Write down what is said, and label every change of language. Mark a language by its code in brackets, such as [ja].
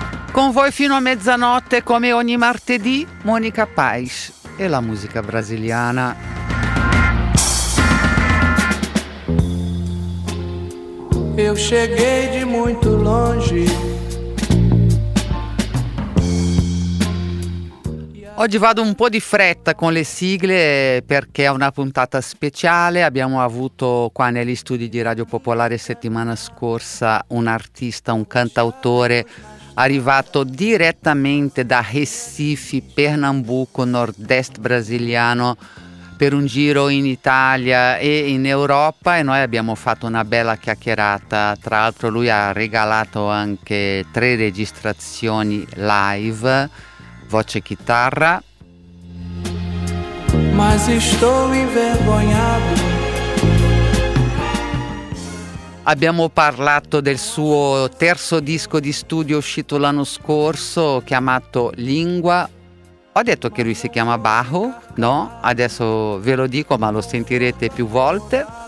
[it] Con voi fino a mezzanotte, come ogni martedì, Monica Paes e la musica brasiliana. [pt] Eu cheguei de muito longe. [it] Oggi vado un po' di fretta con le sigle perché è una puntata speciale. Abbiamo avuto qua negli studi di Radio Popolare settimana scorsa un artista, un cantautore arrivato direttamente da Recife, Pernambuco, nord-est brasiliano, per un giro in Italia e in Europa, e noi abbiamo fatto una bella chiacchierata. Tra l'altro lui ha regalato anche 3 registrazioni live, voce e chitarra. [pt] Mas estou envergonhado. [it] Abbiamo parlato del suo terzo disco di studio uscito l'anno scorso, chiamato Lingua. Ho detto che lui si chiama Barro, no? Adesso ve lo dico, ma lo sentirete più volte.